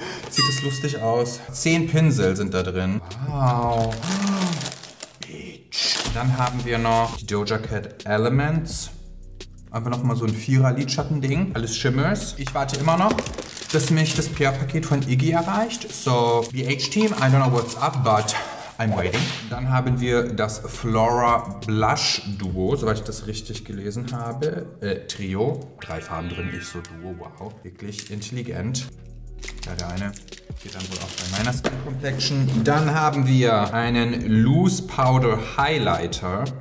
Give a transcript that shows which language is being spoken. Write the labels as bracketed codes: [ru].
[de] Sieht es lustig aus. 10 Pinsel sind da drin. Wow. Bitch. Dann haben wir noch die Doja Cat Elements. Einfach nochmal so ein 4er Lidschatten-Ding. Alles Shimmers. Ich warte immer noch, dass mich das PR-Paket von Iggy erreicht. [en] So, BH-Team, I don't know what's up, but I'm waiting. [de] Dann haben wir das Flora Blush Duo, soweit ich das richtig gelesen habe. Trio. 3 Farben drin, ich so Duo, wow. Wirklich intelligent. Ja, der eine geht dann wohl auch bei meiner Skin Complexion. Dann haben wir einen Loose Powder Highlighter.